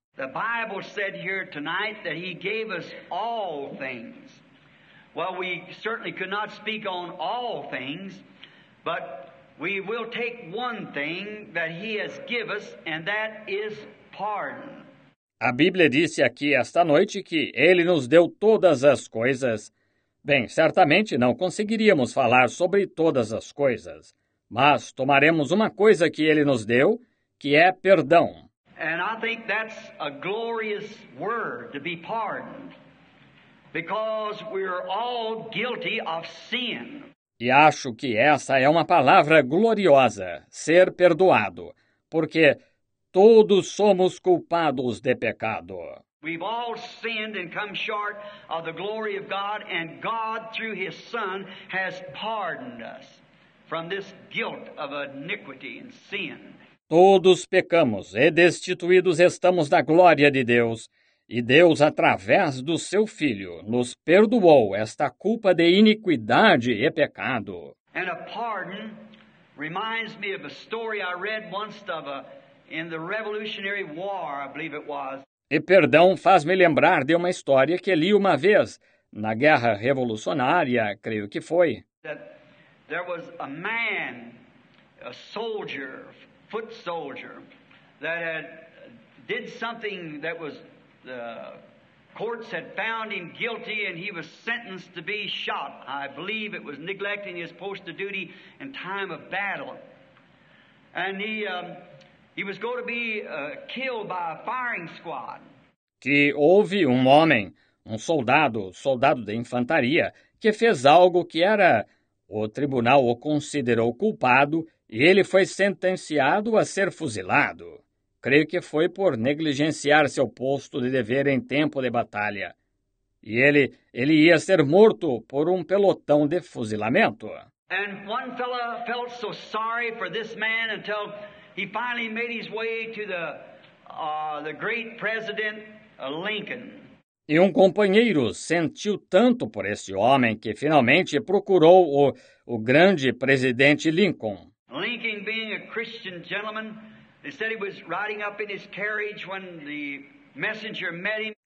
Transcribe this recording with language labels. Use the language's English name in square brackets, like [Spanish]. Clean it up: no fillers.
[English] The Bible said here tonight that he gave us all things. Well, we certainly could not speak on all things, but we will take one thing that he has given us, and that is pardon. [Portuguese] A Bíblia disse aqui esta noite que ele nos deu todas as coisas, Bem, certamente não conseguiríamos falar sobre todas as coisas, mas tomaremos uma coisa que ele nos deu, que é perdão. [English] And I think that's a glorious word to be pardoned, because we're all guilty of sin. [Portuguese] E acho que essa é uma palavra gloriosa, ser perdoado, porque todos somos culpados de pecado. [English] We've all sinned and come short of the glory of God, and God, through His Son, has pardoned us from this guilt of iniquity and sin. [Portuguese] Todos pecamos e destituídos estamos da glória de Deus, e Deus, através do Seu Filho, nos perdoou esta culpa de iniquidade e pecado. [English] And a pardon reminds me of a story I read once of in the Revolutionary War, I believe it was. [Portuguese] E perdão faz-me lembrar de uma história que li uma vez, na Guerra Revolucionária, creio que foi. [English] There was a man, a soldier, foot soldier, that had did something that was, the courts had found him guilty and he was sentenced to be shot. I believe it was neglecting his post of duty in time of battle. And he was going to be killed by a firing squad. [Portuguese] Que houve um homem, um soldado, soldado de infantaria, que fez algo que era... O tribunal o considerou culpado e ele foi sentenciado a ser fuzilado. Creio que foi por negligenciar seu posto de dever em tempo de batalha. E ele ia ser morto por um pelotão de fuzilamento. E um [English] fella felt so sorry for this man until he finally made his way to the great president. Lincoln. [Portuguese] E um companheiro sentiu tanto por esse homem que finalmente procurou o grande presidente Lincoln. [English] Lincoln, being a Christian gentleman, they said he was riding up in his carriage when the messenger met him.